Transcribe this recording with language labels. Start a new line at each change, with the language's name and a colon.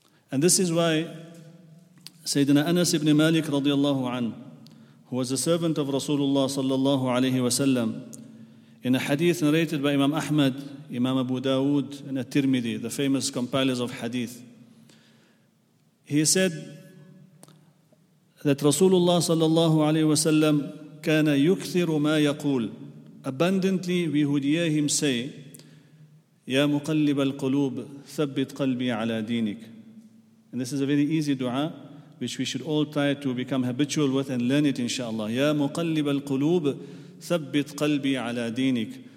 English: And this is why Sayyidina Anas ibn Malik radiallahu anhu, who was a servant of Rasulullah sallallahu alayhi wa sallam, in a hadith narrated by Imam Ahmad, Imam Abu Dawood, and At-Tirmidhi, the famous compilers of hadith, he said that Rasulullah sallallahu alayhi wa sallam
Arabic: كان يكثر ما يقول.
English: Abundantly we would hear him say,
Arabic: يا مقلب القلوب ثبت قلبي على دينك.
English: And this is a very easy dua which we should all try to become habitual with and learn it inshallah.
Arabic: يا مقلب القلوب ثبت قلبي على دينك.